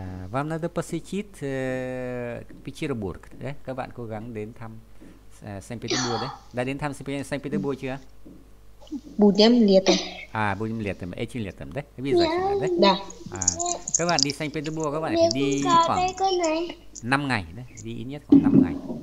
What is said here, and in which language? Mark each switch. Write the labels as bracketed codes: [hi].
[ru] Вам надо посетить Петербург, да? [vi] Các bạn cố gắng đến thăm Санкт-Петербург, да? Đã đến thăm Санкт-Петербург chưa? [ru] Будем летом, этим летом, да? Обязательно, да? [vi] Các bạn đi Санкт-Петербург, các bạn phải đi khoảng 5 ngày, đấy. Đi ít nhất khoảng 5 ngày.